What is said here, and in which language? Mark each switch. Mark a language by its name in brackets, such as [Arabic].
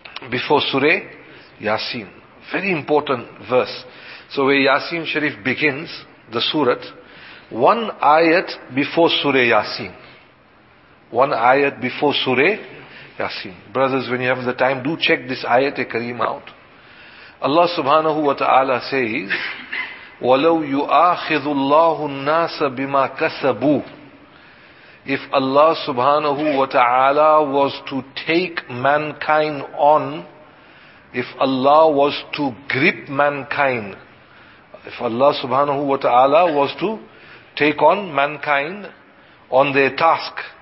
[English] Before Surah Yasin. Very important verse. So where Yasin Sharif begins, the surah, one ayat before Surah Yasin. One ayat before Surah Yasin. Brothers, when you have the time, do check this ayat-e-kareem out. Allah subhanahu wa ta'ala says, [Arabic] وَلَوْ يُؤَاخِذُ اللَّهُ النَّاسَ بِمَا كَسَبُوا. [English] If Allah subhanahu wa ta'ala was to take mankind on, if Allah was to grip mankind, if Allah subhanahu wa ta'ala was to take on mankind on their task,